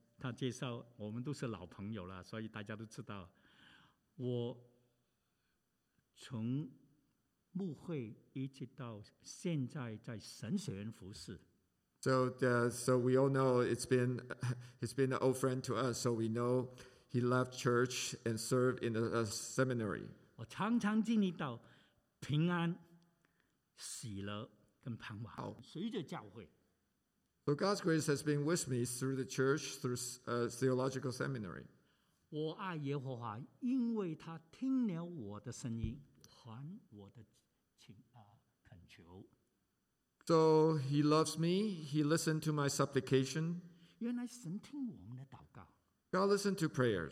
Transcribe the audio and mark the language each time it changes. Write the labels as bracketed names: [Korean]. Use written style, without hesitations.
[Chinese] 他介绍我们都是老朋友了，所以大家都知道我从牧会一直到现在在神学院服事。 [English] So we all know it's been an old friend to us, so we know he left church and served in a seminary. [Chinese] 我常常经历到平安、喜乐跟盼望。好，随着教会。 [English] So God's grace has been with me through the church, through theological seminary. [Chinese] 我爱耶和华，因为他听了我的声音，还我的恳求。 [English] So he loves me, he listened to my supplication. [Chinese] 原来神听我们的祷告。 [English] God listened to prayers.